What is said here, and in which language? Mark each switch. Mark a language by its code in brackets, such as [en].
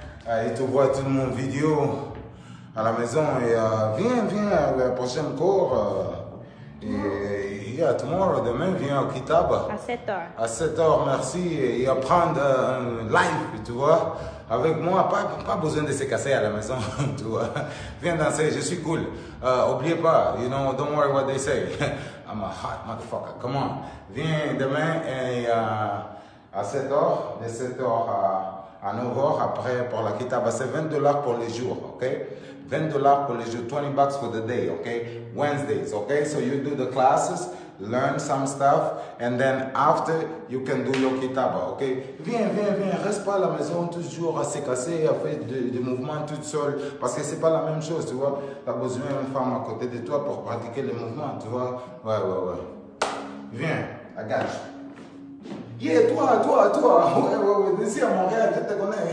[fr] Et tu vois tout mon vidéo à la maison et viens à la prochaine cours et [en] tomorrow, [fr] demain, viens au Kitab. À 7h, merci. Et apprendre un live, tu vois, avec moi. Pas besoin de se casser à la maison, tu vois. Viens danser, je suis cool. Oubliez pas, [en] you know, don't worry what they say. I'm a hot motherfucker, come on. [fr] Viens demain et à 7h, de 7h à 9h après pour la Kitaba, c'est $20 pour les jours, ok? [en] $20 [fr] pour les jours, [en] $20 for the day, ok? Wednesdays, ok? So you do the classes, learn some stuff, and then after, you can do your Kitaba, ok? [fr] Viens, reste pas à la maison toujours à se casser, à faire des mouvements toute seule, parce que c'est pas la même chose, tu vois? T'as besoin d'une femme à côté de toi pour pratiquer les mouvements, tu vois? Ouais. Viens, agache. Yeah, toi, ouais, d'ici à Montréal, je te connais.